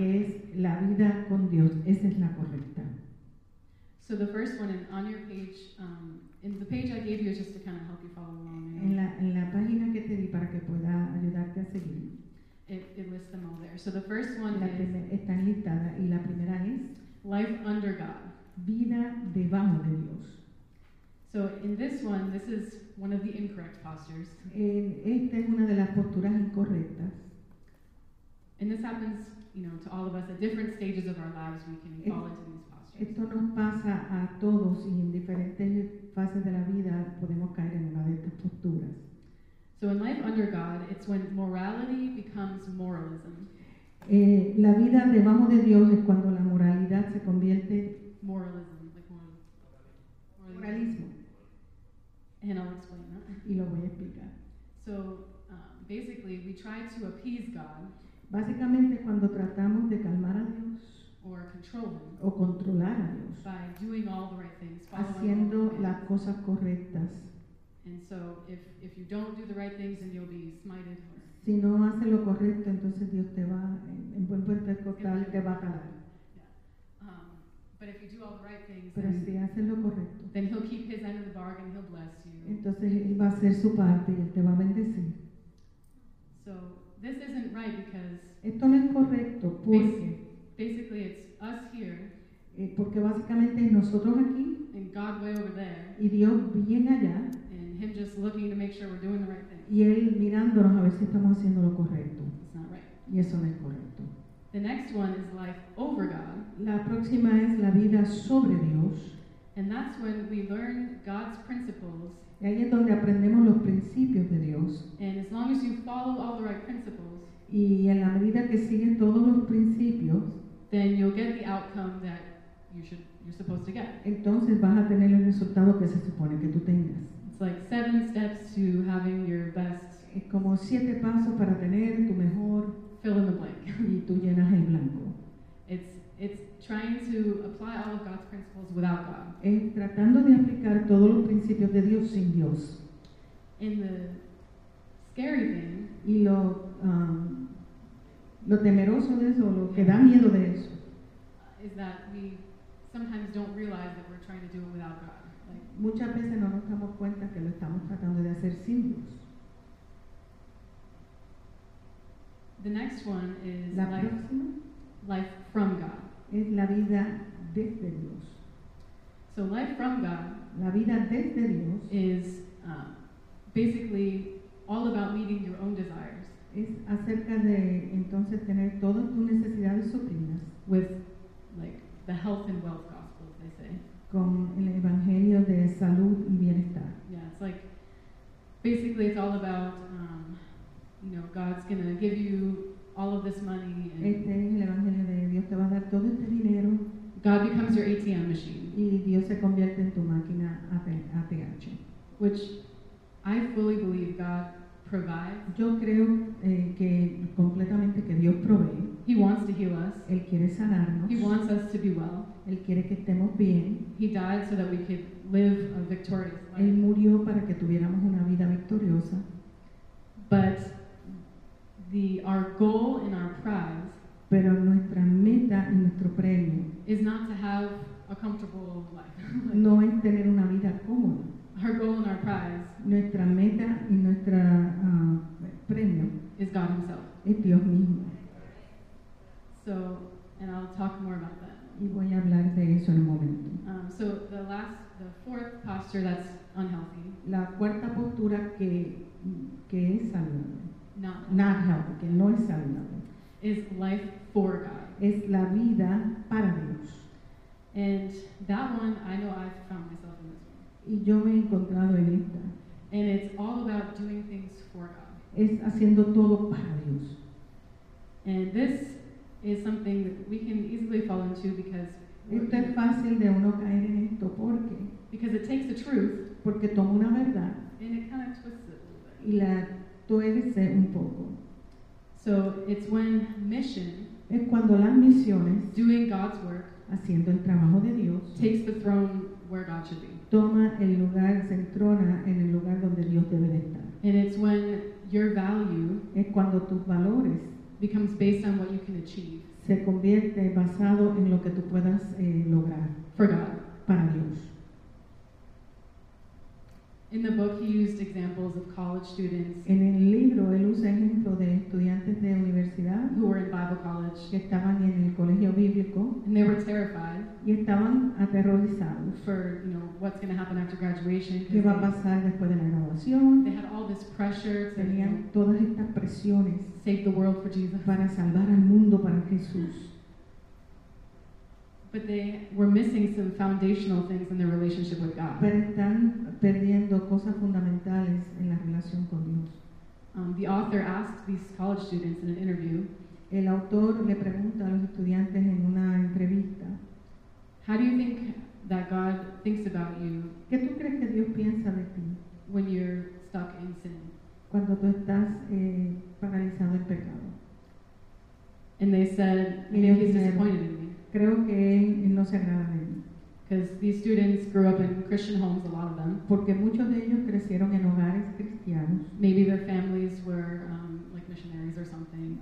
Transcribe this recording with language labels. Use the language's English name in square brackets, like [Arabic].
[Spanish] way, que es la vida con Dios, esa es la correcta. [English] So the first one, and on your page, in the page I gave you, just to kind of help you follow along. [Spanish] En la página que te di para que pueda ayudarte a seguir. [English] It lists them all there. So the first one [Spanish] is, está listada, y la primera es, [English] life under God. [Spanish] Vida debajo de Dios. [English] So in this one, this is one of the incorrect postures. [Spanish] Esta es una de las posturas incorrectas. [English] And this happens, you know, to all of us at different stages of our lives, we can fall into these. [Spanish] Esto nos pasa a todos y en diferentes fases de la vida podemos caer en una de estas posturas. [English] So in life under God, it's when morality becomes moralism. [Spanish] La vida debajo de Dios es cuando la moralidad se convierte en [English] moralism, like [Spanish] moralismo. [English] And I'll explain that. [Spanish] Y lo voy a explicar. [English] So basically, we try to appease God. [Spanish] Básicamente, cuando tratamos de calmar a Dios, [English] or control him, [Spanish] o controlar a Dios, [English] by doing all the right things, [Spanish] haciendo las cosas correctas. [English] And so if you don't do the right things, then you'll be smited. [Spanish] Si no haces lo correcto, entonces Dios te va en buen puerto escotal, te va a calar. [English] Yeah. But if you do all the right things, [Spanish] pero si haces lo correcto, [English] then he'll keep his end of the bargain, he'll bless you. [Spanish] Entonces él va a hacer su parte y él te va a bendecir. [English] So this isn't right because [Spanish] esto no es correcto porque [English] basically, it's us here. [Spanish] Porque básicamente es nosotros aquí. [English] And God way over there. [Spanish] Y Dios bien allá. [English] And him just looking to make sure we're doing the right thing. [Spanish] Y él mirándonos a ver si estamos haciendo lo correcto. [English] It's not right. [Spanish] Y eso no es correcto. [English] The next one is life over God. [Spanish] La próxima es la vida sobre Dios. [English] And that's when we learn God's principles. [Spanish] Y ahí es donde aprendemos los principios de Dios. [English] And as long as you follow all the right principles, [Spanish] y en la medida que siguen todos los principios, [English] then you'll get the outcome that you're supposed to get. [Spanish] Entonces vas a tener el resultado que se supone que tú tengas. [English] It's like seven steps to having your best. [Spanish] Es como siete pasos para tener tu mejor. [English] Fill in the blank. [Spanish] Y tú llenas el blanco. [English] It's trying to apply all of God's principles without God. [Spanish] Es tratando de aplicar todos los principios de Dios sin Dios. [English] In the scary thing. [Spanish] Y lo temeroso de eso, lo que da miedo de eso, [English] is that we sometimes don't realize that we're trying to do it without God. Like, [Spanish] muchas veces no nos damos cuenta que lo estamos tratando de hacer sin Dios. [English] The next one is [Spanish] la próxima, [English] life from God. [Spanish] Es la vida desde Dios. [English] So life from God, [Spanish] la vida desde Dios, [English] is basically all about meeting your own desires. [Spanish] Es acerca de entonces tener todas tus necesidades suplidas. [English] With like the health and wealth gospel, they say. [Spanish] Con el evangelio de salud y bienestar. [English] Yeah, it's like basically it's all about you know, God's gonna give you all of this money. And [Spanish] este es el evangelio de Dios te va a dar todo este dinero. [English] God becomes your ATM machine. [Spanish] Y Dios se convierte en tu máquina ATH. [English] Which I fully believe God provides. [Spanish] Yo creo que completamente que Dios provee. [English] He wants to heal us. [Spanish] Él quiere sanarnos. [English] He wants us to be well. [Spanish] Él quiere que estemos bien. [English] He died so that we could live a victorious life. [Spanish] Él murió para que tuviéramos una vida victoriosa. [English] But our goal and our prize, [Spanish] pero nuestra meta y nuestro premio, [English] is not to have a comfortable life. [Spanish] No es tener una vida cómoda. [English] Our goal and our prize, [Spanish] nuestra meta y nuestra premio, [English] is God himself. [Spanish] Es Dios mismo. [English] So, and I'll talk more about that. [Spanish] Y voy a hablar de eso en un momento. [English] So the fourth posture that's unhealthy. [Spanish] La cuarta postura que es saludable. [English] Not [Spanish] healthy, que no es saludable. [English] Is life for God. [Spanish] Es la vida para Dios. [English] And that one, I know I've found myself in this. [Spanish] Y yo me he encontrado en esta. [English] And it's all about doing things for God. [Spanish] Es haciendo todo para Dios. [English] And this is something that we can easily fall into because [Spanish] esto es fácil de uno caer en esto porque [English] because it takes the truth [Spanish] porque toma una verdad [English] and it kind of twists it a little bit. [Spanish] Y la tuerce un poco. [English] So it's when mission [Spanish] es cuando las misiones [English] doing God's work [Spanish] haciendo el trabajo de Dios [English] takes the throne where God should be. [Spanish] Toma el lugar, se entrona en el lugar donde Dios debe estar. [English] And it's when your value [Spanish] es cuando tus valores [English] becomes based on what you can achieve. [Spanish] Se convierte basado en lo que tú puedas lograr [English] for God. [Spanish] Para Dios. [English] In the book, he used examples of college students. [Spanish] En el libro, él usa ejemplos de estudiantes de universidad [English] who were in Bible college. [Spanish] Que estaban en el colegio bíblico. [English] And they were terrified. [Spanish] Y estaban aterrorizados. [English] For what's going to happen after graduation? [Spanish] ¿Qué va a pasar después de la graduación? [English] They had all this pressure. [Spanish] Tenían todas estas presiones. [English] Save the world for Jesus. [Spanish] Para salvar al mundo para Jesús. [English] But they were missing some foundational things in their relationship with God. [Spanish] Pero están perdiendo cosas fundamentales en la relación con Dios. [English] The author asked these college students in an interview. [Spanish] El autor le pregunta a los estudiantes en una entrevista. [English] How do you think that God thinks about you? [Spanish] ¿Qué tú crees que Dios piensa de ti? [English] When you're stuck in sin. [Spanish] Cuando tú estás paralizado en pecado. [English] And they said, maybe he's disappointed in me. [Spanish] Creo que él no se agrada de mí. [English] Because these students grew up in Christian homes, a lot of them. [Spanish] Porque muchos de ellos crecieron en hogares cristianos. [English] Maybe their families were like missionaries or something.